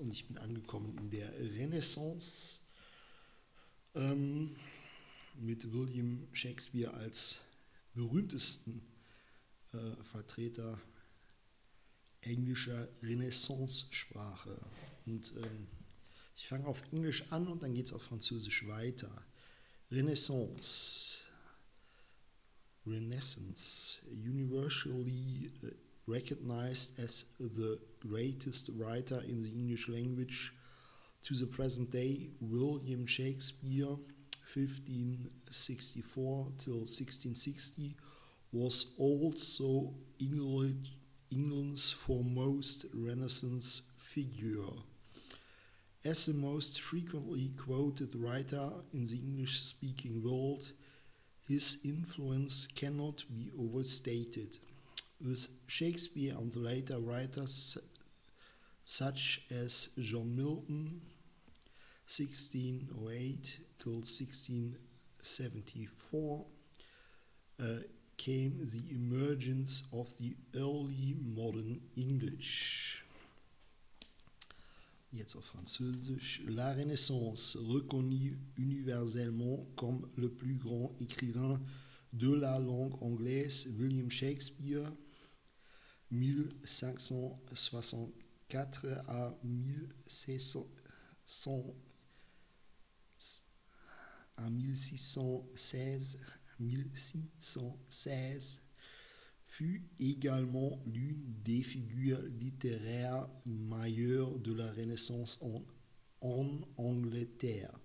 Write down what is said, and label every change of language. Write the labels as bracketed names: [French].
[German] Und ich bin angekommen in der Renaissance mit William Shakespeare als berühmtesten Vertreter englischer Renaissance-Sprache. Und ich fange auf Englisch an und dann geht es auf Französisch weiter. Renaissance. [English] Renaissance, universally recognized as the greatest writer in the English language to the present day, William Shakespeare, 1564 till 1660, was also England's foremost Renaissance figure. As the most frequently quoted writer in the English-speaking world, his influence cannot be overstated. With Shakespeare and later writers such as John Milton, 1608 till 1674, came the emergence of the early modern English. [German] Jetzt auf Französisch. [French] La Renaissance, reconnue universellement comme le plus grand écrivain de la langue anglaise, William Shakespeare, 1516 à 1616, fut également l'une des figures littéraires majeures de la Renaissance en Angleterre.